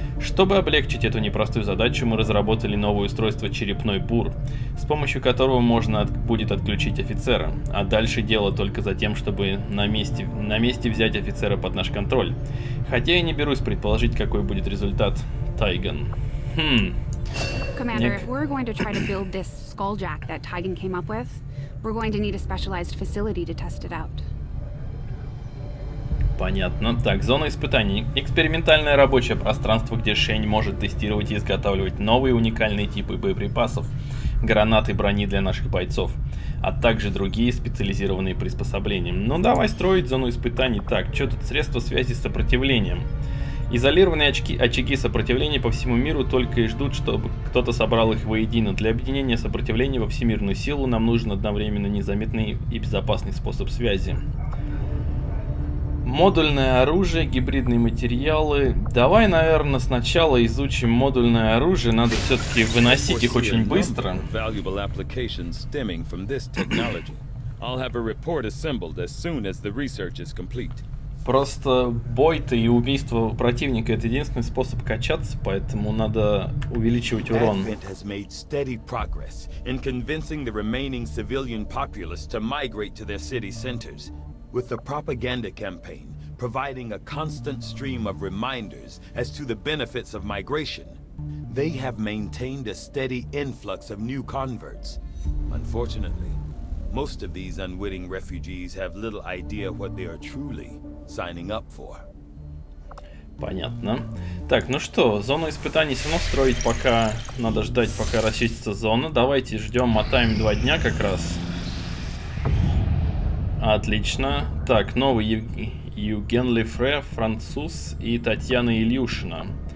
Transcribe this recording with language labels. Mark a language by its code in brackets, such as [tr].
[ru] Чтобы облегчить эту непростую задачу, мы разработали новое устройство «Черепной бур», с помощью которого можно будет отключить офицера. А дальше дело только за тем, чтобы на месте взять офицера под наш контроль. Хотя я не берусь предположить, какой будет результат. Тайган. [en] Commander, if we're going to try to build this skulljack that Tigan came up with, we're going to need a specialized facility to test it out. [ru] Понятно. Так, зона испытаний. Экспериментальное рабочее пространство, где Шейн может тестировать и изготавливать новые уникальные типы боеприпасов, гранаты, брони для наших бойцов, а также другие специализированные приспособления. Ну, давай строить зону испытаний. Так, что тут средства связи с сопротивлением? Изолированные очаги сопротивления по всему миру только и ждут, чтобы кто-то собрал их воедино. Для объединения сопротивления во всемирную силу нам нужен одновременно незаметный и безопасный способ связи. Модульное оружие, гибридные материалы. Давай, наверное, сначала изучим модульное оружие. Надо все-таки выносить их очень быстро. [en] Valuable applications stemming from this technology. I'll have a report assembled as soon as the research is complete. [ru] Просто бой-то и убийство противника — это единственный способ качаться, поэтому надо увеличивать урон. [en] Advent has made steady progress in convincing the remaining civilian populace to migrate to their city centers. With the propaganda campaign providing a constant stream of reminders as to the benefits of migration, they have maintained a steady influx of new converts. Unfortunately, most of these unwitting refugees have little idea what they are truly signing up for. [ru] Понятно. Так, ну что, зону испытаний все равно строить пока. Надо ждать, пока расчистится зона. Давайте ждем, мотаем 2 дня как раз. Отлично. Так, новый Евген Лефре, француз, и Татьяна Ильюшина.